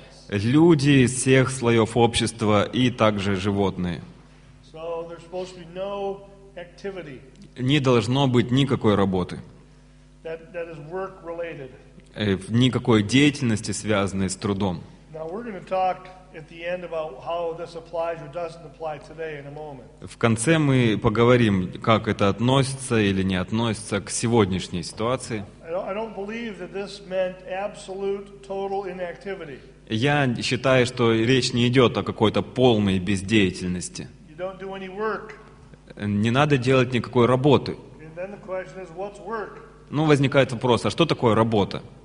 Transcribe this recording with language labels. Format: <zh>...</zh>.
<ru>Люди из всех слоев общества и также животные.</ru> <en>So there's supposed to be no activity.</en> <ru>Не должно быть никакой работы.</ru> <en>That is work related.</en> <ru>Никакой деятельности, связанной с трудом.</ru> <en>Now we're going to talk at the end about how this applies or doesn't apply today in a moment.</en> <ru>В конце мы поговорим, как это относится или не относится к сегодняшней ситуации.</ru> <en>I don't believe that this meant absolute total inactivity.</en> <ru>Я считаю, что речь не идет о какой-то полной бездеятельности.</ru> <en>You don't do any work.</en> <ru>Не надо делать никакой работы.</ru> <en>And then the question is, what's work?</en> <ru>Ну, возникает вопрос, а что такое работа?</ru>